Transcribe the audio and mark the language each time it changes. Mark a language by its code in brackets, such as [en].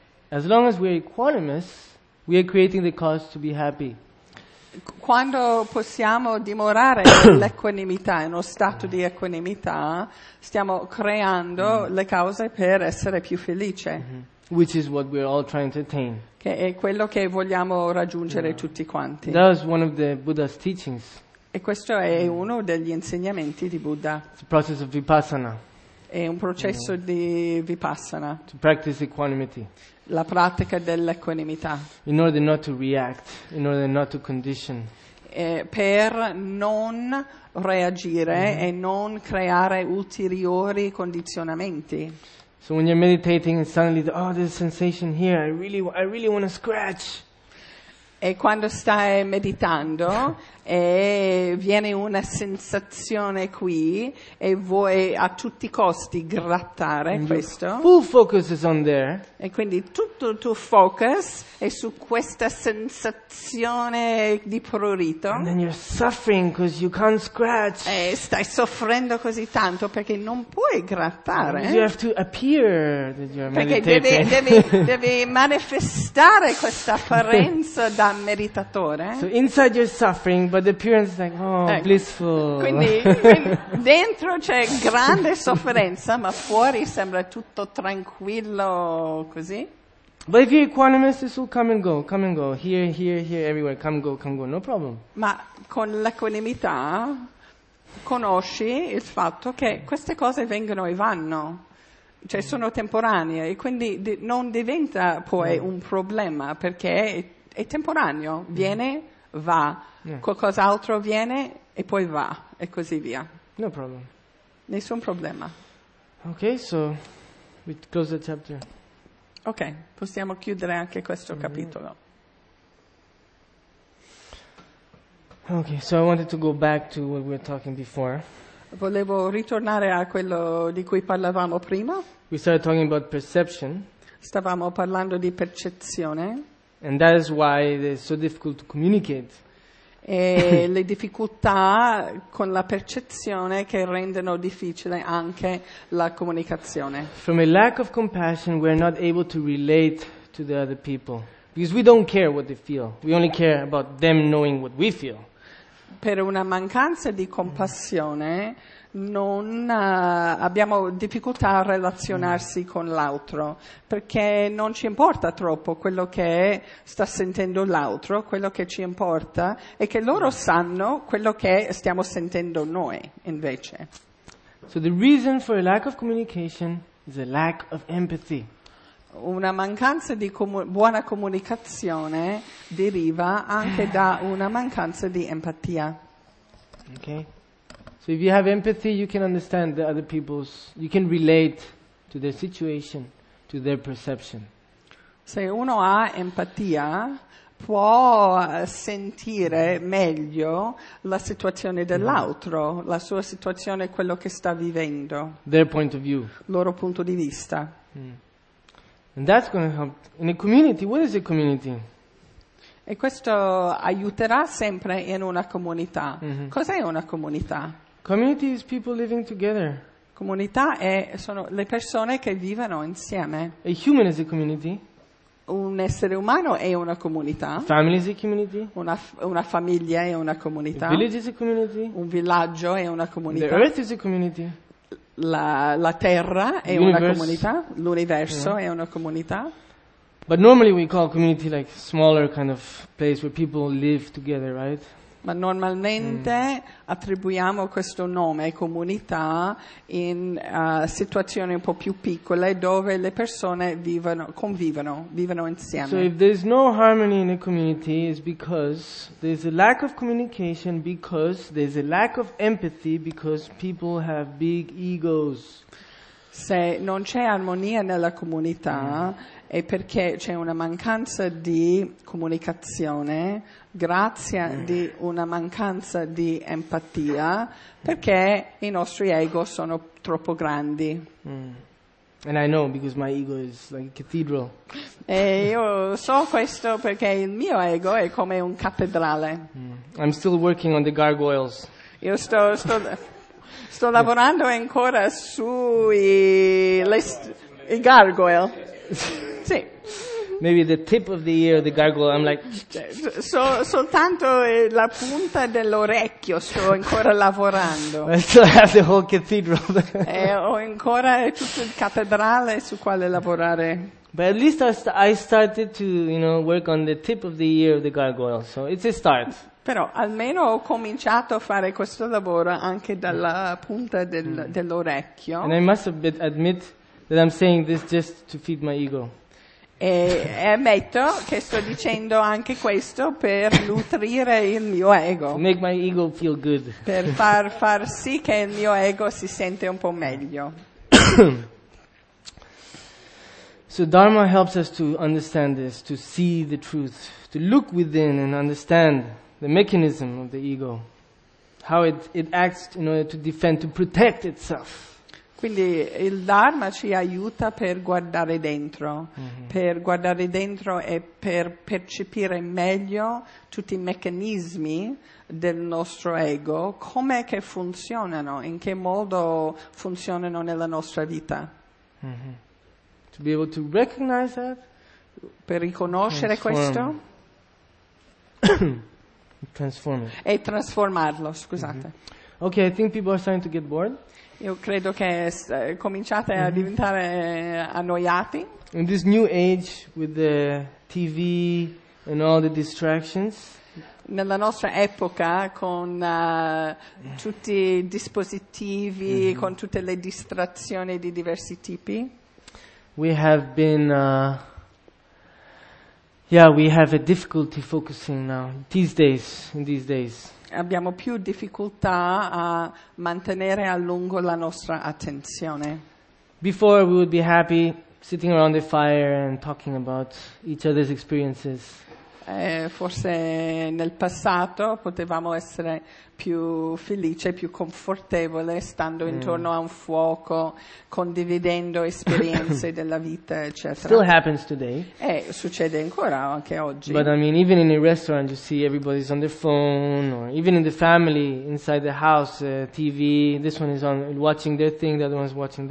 [en] As long as we're equanimous, we are creating the cause to be happy. [it] Quando possiamo dimorare l'equanimità, in uno stato di equanimità, stiamo creando le cause per essere più felice. [en] Which is what we're all trying to attain. [it] Che è quello che vogliamo raggiungere tutti quanti. [en] That was one of the Buddha's teachings. [it] E questo è uno degli insegnamenti di Buddha. [en] It's a process of vipassana. [it] È un processo di vipassana. [en] To practice equanimity. [it] La pratica dell'equanimità. [en] In order not to react, in order not to condition. [it] Per non reagire e non creare ulteriori condizionamenti. [en] So when you're meditating and suddenly, oh, there's a sensation here, I really want to scratch. [it] E quando stai meditando e viene una sensazione qui e vuoi a tutti i costi grattare [en] and [it] questo. [en] Full focus is on there. [it] E quindi tutto il tuo focus è su questa sensazione di prurito. [en] And then you're suffering because you can't scratch. [it] E stai soffrendo così tanto perché non puoi grattare. [en] You have to appear that you're [it] perché [en] meditating. [it] devi manifestare questa apparenza da meditatore. [en] So inside you're suffering, but the appearance is like, oh, [it] ecco. [en] Blissful. [it] Quindi dentro c'è grande sofferenza, ma fuori sembra tutto tranquillo così. [en] But if you're equanimous, this will come and go, here, here, here, everywhere, come and go, no problem. [it] Ma con l'equanimità conosci il fatto che queste cose vengono e vanno, cioè sono temporanee, e quindi non diventa poi un problema, perché è temporaneo, viene, va, qualcos'altro viene e poi va, e così via. [en] No problem. [it] Nessun problema. [en] Ok, so we close the chapter. [it] Ok, possiamo chiudere anche questo capitolo. [en] Ok, so I wanted to go back to what we were talking before. [it] Volevo ritornare a quello di cui parlavamo prima. [en] We started talking about perception. [it] Stavamo parlando di percezione. [en] And that is why it is so difficult to communicate. [it] E le difficoltà con la percezione che rendono difficile anche la comunicazione. [en] From a lack of compassion, we are not able to relate to the other people. Because we don't care what they feel. We only care about them knowing what we feel. [it] Per una mancanza di compassione non abbiamo difficoltà a relazionarsi con l'altro, perché non ci importa troppo quello che sta sentendo l'altro, quello che ci importa è che loro sanno quello che stiamo sentendo noi invece. [en] So the reason for a lack of communication is a lack of empathy. [it] Una mancanza di buona comunicazione deriva anche da una mancanza di empatia. [en] Okay. So if you have empathy, you can understand the other people's, you can relate to their situation, to their perception. [it] Se uno ha empatia, può sentire meglio la situazione dell'altro, la sua situazione, quello che sta vivendo. [en] Their point of view. [it] Loro punto di vista. [en] And that's going to help in a community. What is a community? [it] E questo aiuterà sempre in una comunità. Mm-hmm. Cos'è una comunità? [en] Community is people living together. [it] Comunità è sono le persone che vivono insieme. [en] A human is a community. [it] Un essere umano è una comunità. [en] A family is a community. [it] Una famiglia è una comunità. [en] A village is a community. [it] Un villaggio è una comunità. [en] The earth is a community. [it] La terra è una comunità, l'universo è una comunità. [en] But normally we call community like smaller kind of place where people live together, right? [it] Ma normalmente attribuiamo questo nome comunità in situazioni un po' più piccole dove le persone vivono insieme. [en] So if there's no harmony in a community, it's because there's a lack of communication, because there's a lack of empathy, because people have big egos. [it] Se non c'è armonia nella comunità è perché c'è una mancanza di comunicazione, grazie di una mancanza di empatia, perché i nostri ego sono troppo grandi. [en] And I know because my ego is like a cathedral. [it] E io so questo perché il mio ego è come un cattedrale. [en] I'm still working on the gargoyles. [it] Io sto lavorando ancora sui i gargoyle. Sì. [en] Maybe the tip of the ear, the gargoyle. I'm like. [it] Soltanto la punta dell'orecchio sto ancora lavorando. [en] I still have the whole cathedral. [it] E ho ancora tutto il cattedrale su quale lavorare. [en] But at least I started to, you know, work on the tip of the ear of the gargoyle. So it's a start. [it] Però almeno ho cominciato a fare questo lavoro anche dalla punta dell'orecchio. [en] And I must admit that I'm saying this just to feed my ego. [it] E ammetto che sto dicendo anche questo per nutrire il mio ego. [en] To make my ego feel good. [it] Per far sì che il mio ego si sente un po' meglio. [en] So Dharma helps us to understand this, to see the truth, to look within and understand the mechanism of the ego, how it acts in order to defend, to protect itself. [it] Quindi il Dharma ci aiuta per guardare dentro, per guardare dentro e per percepire meglio tutti i meccanismi del nostro ego, come che funzionano, in che modo funzionano nella nostra vita. [en] To be able to recognize that, [it] per riconoscere [en] transform. [it] Questo. [en] Transform it. [it] E trasformarlo, scusate. [en] Okay, I think people are starting to get bored. [it] Io credo che cominciate a diventare annoiati. [en] In this new age with the TV and all the distractions. [it] Nella nostra epoca con tutti i dispositivi, con tutte le distrazioni di diversi tipi. [en] We have been we have a difficulty focusing now in these days. [it] Abbiamo più difficoltà a mantenere a lungo la nostra attenzione. [en] Before we would be happy sitting around the fire and talking about each other's experiences. [it] Forse nel passato potevamo essere più felici, più confortevole stando intorno a un fuoco, condividendo esperienze della vita, eccetera. [en] Still happens today. [it] Succede ancora anche oggi. [en] But I mean, even in a restaurant, you see everybody's on their phone, or even in the family inside the house, TV. This one is on watching their thing, the other one's watching.